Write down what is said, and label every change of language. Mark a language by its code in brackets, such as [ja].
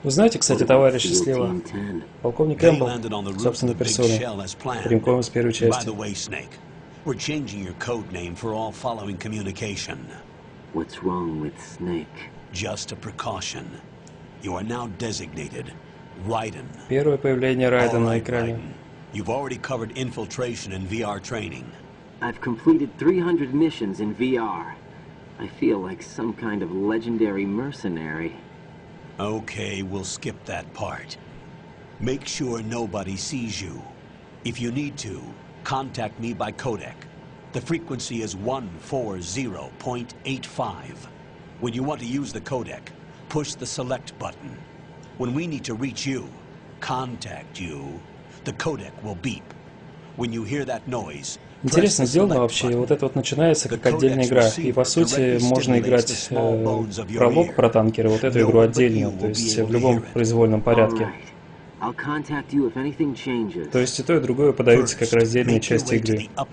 [ru] Вы знаете, кстати, товарищи слева, полковник Кэмпбелл, собственной персоной, прямиком с первой части. [en] By the way, Snake, we're changing your code name for all following communication. What's wrong with Snake? Just a precaution. You are now designated Raiden. [ru] Первое появление Райдена на экране. [en] You've already covered infiltration in VR training. I've completed 300 missions in VR. I feel like some kind of legendary mercenary. Okay, we'll skip that part. Make sure nobody sees you. If you need to, contact me by codec. The frequency is 140.85. When you want to use the codec, push the select button. When we need to reach you, contact you, the codec will beep. When you hear that noise, [ru] Интересно сделано вообще, и вот это вот начинается как отдельная игра. И по сути можно играть пролог про танкеры, вот эту игру отдельно, то есть в любом произвольном порядке. То есть и то, и другое подаются как раздельные части игры.